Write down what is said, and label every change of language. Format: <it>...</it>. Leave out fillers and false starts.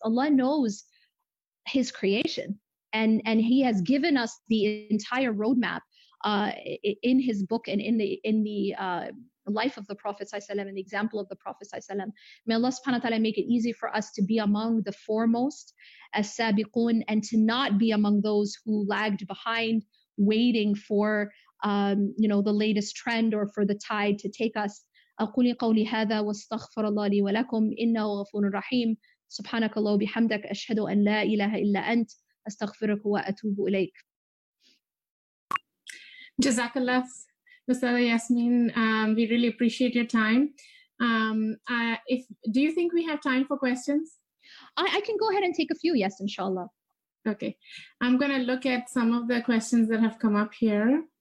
<en>Allah knows his creation, and he has given us the entire roadmap in his book and in the life of the Prophet sallallahu alaihi wasallam and the example of the Prophet sallallahu alaihi wasallam. May Allah subhanahu wa ta'ala make it easy for us to be among the foremost, as sabiqun, and to not be among those who lagged behind, waiting for you know, the latest trend or for the tide to take us.</en> <ar>أقول قولي هذا واستغفر الله لي ولكم إنه غفور رحيم سبحانك الله وبحمدك أشهد أن لا إله إلا أنت أستغفرك وأتوب إليك. جزاك الله أستاذة ياسمين.</ar> <en>We really appreciate your time. Do you think we have time for questions? I can go ahead and take a few, yes, inshallah. Okay. I'm going to look at some of the questions that have come up here.</en>